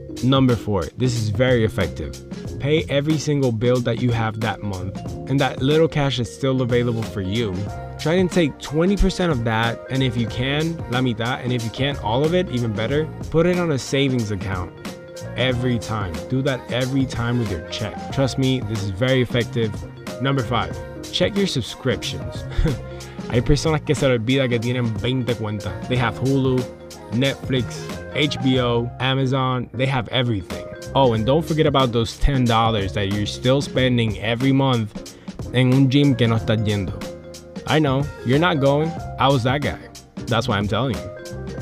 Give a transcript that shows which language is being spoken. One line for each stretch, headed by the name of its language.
English: Number four, this is very effective. Pay every single bill that you have that month and that little cash is still available for you. Try and take 20% of that, and if you can,
Spanish: la mitad,
English: and if you can't, all of it, even better, put it on a savings account every time. Do that every time with your check. Trust me, this is very effective. Number five, check your subscriptions.
Spanish: Hay personas que se les olvida que tienen 20 cuentas.
English: They have Hulu, Netflix, HBO, Amazon. They have everything. Oh, and don't forget about those $10 that you're still spending every month
Spanish: en un gym que no está yendo.
English: I know, you're not going. I was that guy. That's why I'm telling you.